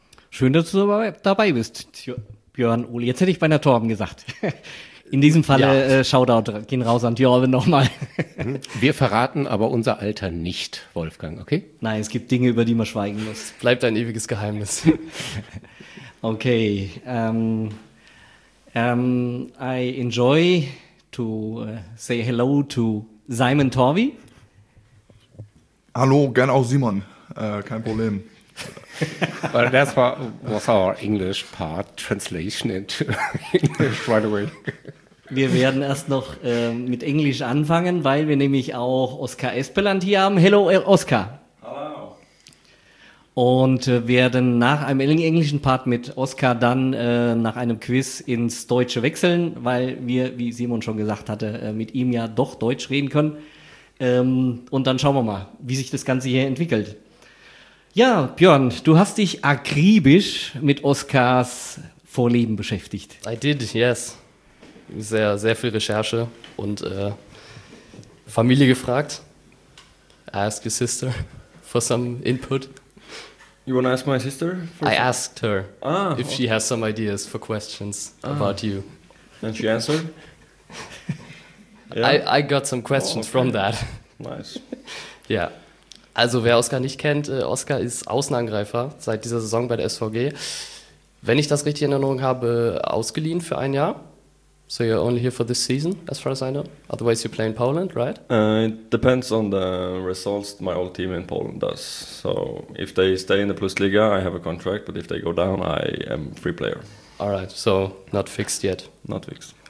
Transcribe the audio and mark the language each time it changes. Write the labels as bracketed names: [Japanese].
[German] Schön, dass du dabei bist, Björn Uli. Jetzt hätte ich bei einer Torben gesagt. In diesem Fall, ja. Shoutout, gehen raus an Torben nochmal. Wir verraten aber unser Alter nicht, Wolfgang, okay? Nein, es gibt Dinge, über die man schweigen muss. Es bleibt ein ewiges Geheimnis. Okay. [English] I enjoy to say hello to Simon Torvi. [German] Hallo, gern auch Simon. Kein Problem. [English] Well, that was our English part, translation into English right away. [German] Wir werden erst noch mit Englisch anfangen, weil wir nämlich auch Oskar Espeland hier haben. [English] Hello, Oskar. [German] Hallo. Und werden nach einem englischen Part mit Oskar dann nach einem Quiz ins Deutsche wechseln, weil wir, wie Simon schon gesagt hatte, mit ihm ja doch Deutsch reden können. Und dann schauen wir mal, wie sich das Ganze hier entwickelt. Ja, Björn, du hast dich akribisch mit Oskars Vorleben beschäftigt. [English] I did, yes. [German] Sehr, sehr viel Recherche und Familie gefragt. [English] Ask your sister for some input. You want to ask my sister? I asked her if she has some ideas for questions about you. And she answered? Yeah. I got some questions from that. Nice. Ja. Yeah. [German] Also wer Oskar nicht kennt, Oskar ist Außenangreifer seit dieser Saison bei der SVG. Wenn ich das richtig in Erinnerung habe, ausgeliehen für ein Jahr. [English] So you're only here for this season, as far as I know. Otherwise you play in Poland, right? It depends on the results my old team in Poland does. So if they stay in the Plusliga, I have a contract, but if they go down, I am free player. Alright, so not fixed yet. Not fixed.